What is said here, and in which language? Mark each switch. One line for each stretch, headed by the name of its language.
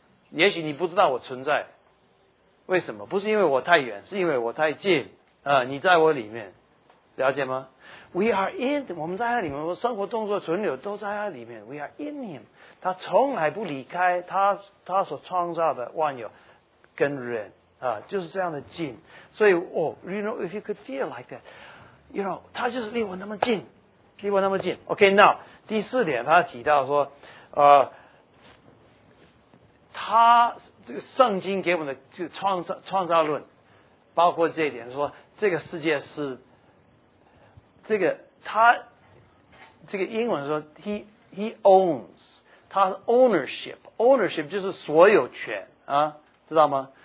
Chinese: 也许你不知道我存在，为什么？不是因为我太远，是因为我太近啊、你在我里面，了解吗 ？
English: We are in，
Chinese: 我们在他里面，我生活动作存留都在他里面。
English: We are in him，
Chinese: 他从来不离开他所创造的万有跟人啊、就是这样的近。
English: 所以哦 ，you know if you could feel like that， you know，
Chinese: 他就是离我那么近。
English: OK， now。
Chinese: 第四点，他提到说，他这个圣经给我们的这个创造论，包括这一点，说这个世界是这个英文说
English: he owns，
Chinese: 他 ownership 就是所有权啊，知道吗？